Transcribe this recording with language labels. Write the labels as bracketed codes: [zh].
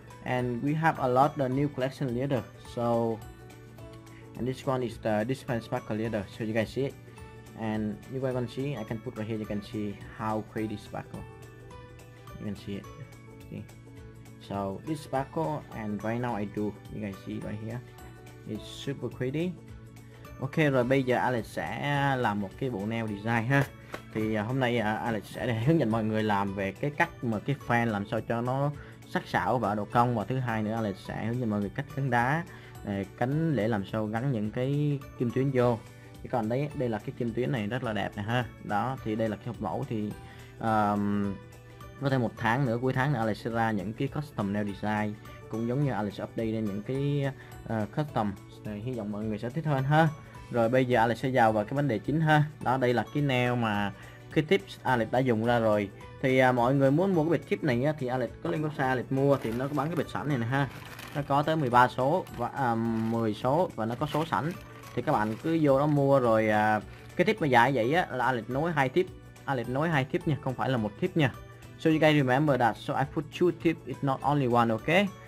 [en] And we have a lot of the new collection leather. So and this one is the this one sparkle leather, so you guys see it. And you guys can see, I can put right here, you can see how pretty sparkle. You can see it. See? So this sparkle, and right now I do, you guys see right here. It's super pretty. [vi] Ok, rồi bây giờ Alex sẽ làm một cái bộ nail design ha. Thì hôm nay Alex sẽ hướng dẫn mọi người làm về cái cách mà cái fan làm sao cho nó sắc sảo và độ cong. Và thứ hai nữa Alex sẽ hướng dẫn mọi người cách gắn đá cánh để làm sao gắn những cái kim tuyến vô. Thì còn đấy, đây là cái kim tuyến này rất là đẹp này ha. Đó, thì đây là cái hộp mẫu, thì có thể một tháng nữa, cuối tháng nữa Alex sẽ ra những cái custom nail design, cũng giống như Alex sẽ update lên những cái custom. Thì hy vọng mọi người sẽ thích hơn ha. Rồi bây giờ Alex sẽ vào vào cái vấn đề chính ha. Đó, đây là cái nail mà cái tip Alex đã dùng ra rồi. Thì mọi người muốn mua cái bịch tip này á, thì Alex có lên website Alex mua, thì nó có bán cái bịch sẵn này nè ha. Nó có tới 13 số và 10 số và nó có số sẵn. Thì các bạn cứ vô đó mua rồi cái tip mà dài vậy á là Alex nối hai tip. Alex nối hai tip nha, không phải là một tip nha. [en] So you guys remember that, so I put two tip, it's not only one, ok.